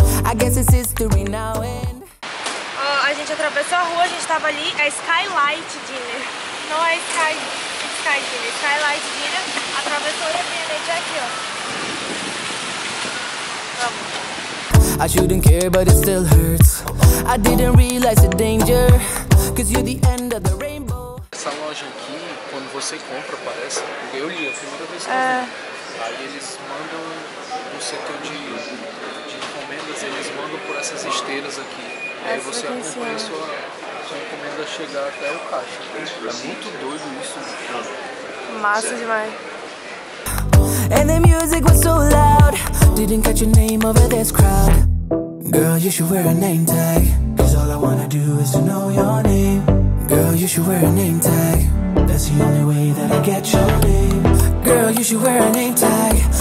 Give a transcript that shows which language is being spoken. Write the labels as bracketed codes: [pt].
[en] I guess it's history now and... [pt] a gente atravessou a rua, a gente tava ali. É Skylight Dinner. Não é Sky Dinner, Skylight Dinner. Atravessou e a minha gente é aqui, ó. Vamos. [en] I shouldn't care, but it still hurts. I didn't realize the danger, 'cause you're the end of the rainbow. [pt] Essa loja aqui, quando você compra, parece... Eu li, a primeira vez que eu vi. Aí eles mandam... No setor de encomendas, eles mandam por essas esteiras aqui. Aí você acompanha sua encomenda chegar até o caixa. É muito doido isso. Massa demais. [en] And the music was so loud. Didn't catch your name over this crowd. Girl, you should wear a name tag. 'Cause all I wanna do is to know your name. Girl, you should wear a name tag. that's the only way that I get your name. Girl, you should wear a name tag.